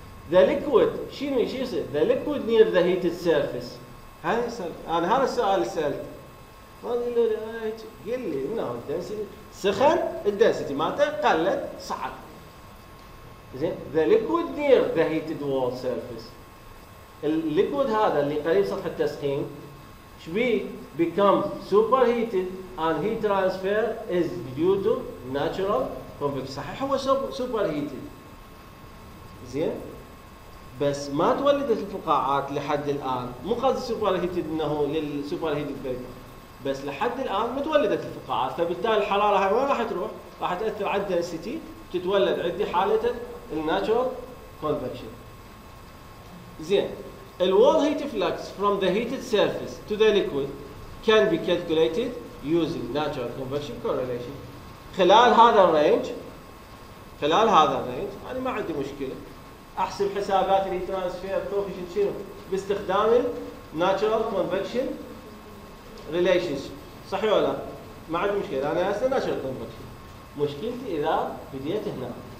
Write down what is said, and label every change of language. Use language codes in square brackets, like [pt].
[en] the liquid, [ar] شنو شو يصير؟ [en] The liquid near the heat surface. [ar] هذا السؤال، انا هذا السؤال سالته. قال لي انه الدنسيتي سخن، الدنسيتي مالته قلت صعد. [en] زين، the liquid near the heat wall surface. [ar] الليكويد هذا اللي قريب سطح التسخين شبي [en] become super heated and heat transfer is due to natural convection. [ar] صحيح هو super heated. زين؟ بس ما تولدت الفقاعات لحد الان، مو قصدي super heated انه لل super heated vapor. بس لحد الان ما تولدت الفقاعات، فبالتالي الحراره هاي وين راح تروح؟ راح تاثر على الدنسيتي، تتولد عندي حاله الناتشورال convection. [en] زين؟ The wall heat flux from the heated surface to the liquid can be calculated using natural convection correlation. [ar] خلال هذا الرينج، خلال هذا الرينج انا ما عندي مشكله احسب حسابات الهيت ترانسفير كوفيشنت شنو باستخدام الناتشورال كونفكشن ريليشن. صح ولا لا؟ ما عندي مشكله، انا هسه ناتشورال كونفكشن. مشكلتي اذا بديت هنا.